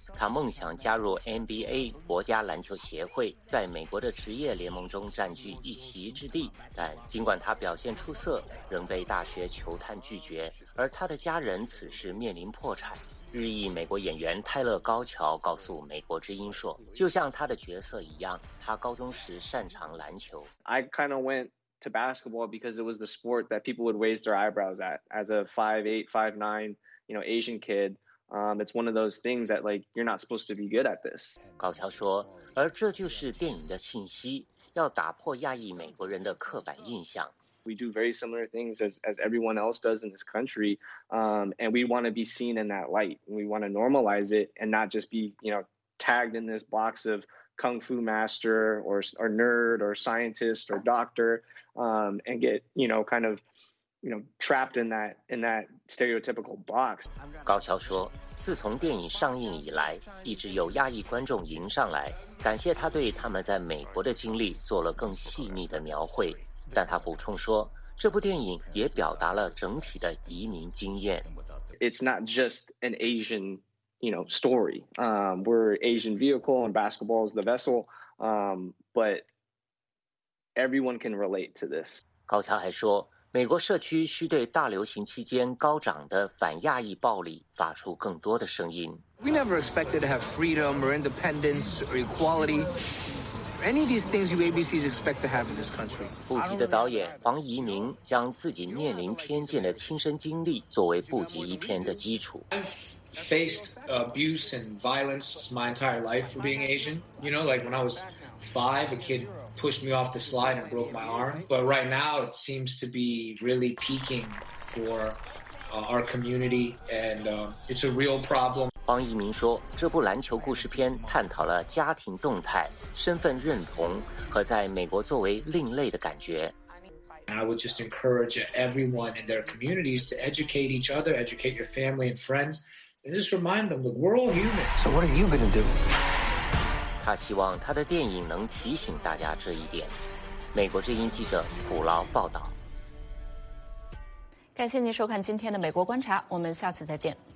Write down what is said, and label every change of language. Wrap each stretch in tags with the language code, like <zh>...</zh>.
<zh>他梦想加入 NBA 国家篮球协会，在美国的职业联盟中占据一席之地。但尽管他表现出色，仍被大学球探拒绝，而他的家人此时面临破产。日裔美国演员泰勒·高桥告诉美国之音说，就像他的角色一样，他高中时擅长篮球。</zh> <en>I kind of went to basketball because it was the sport that people would raise their eyebrows at. As a 5'8", 5'9", you know, Asian kid, it's one of those things that like, you're not supposed to be good at this.</en> <zh>高桥说，而这就是电影的信息，要打破亚裔美国人的刻板印象。</zh> <en>We do very similar things as everyone else does in this country, and we want to be seen in that light. We want to normalize it and not just be, you know, tagged in this box of kung fu master or nerd or scientist or doctor, and get, you know, kind of, you know, trapped in that stereotypical box.</en> <zh>高桥说，自从电影上映以来，一直有亚裔观众迎上来，感谢他对他们在美国的经历做了更细腻的描绘。但他补充说，这部电影也表达了整体的移民经验。</zh> <en>It's not just an Asian, you know, story. We're Asian vehicle and basketball is the vessel. But everyone can relate to this.</en> <zh>高桥还说，美国社区需对大流行期间高涨的反亚裔暴力发出更多的声音。</zh> <en>We never expected to have freedom or independence or equality. Any of these things you ABCs expect to have in this country.</en> <zh>布吉的导演黄宜宁将自己面临偏见的亲身经历作为布吉一篇的基础。</zh> <en>I've faced abuse and violence my entire life for being Asian. You know, like when I was five, a kid pushed me off the slide and broke my arm. But right now, it seems to be really peaking for our community, and it's a real problem.</en> <zh>黄一鸣说，这部篮球故事片探讨了家庭动态、身份认同和在美国作为另类的感觉。</zh> <en>I would just encourage everyone in their communities to educate each other, educate your family and friends, and just remind them that we're all human. So what are you going to do?</en> <zh>他希望他的电影能提醒大家这一点。美国之音记者普劳报道。感谢您收看今天的美国观察，我们下次再见。</zh>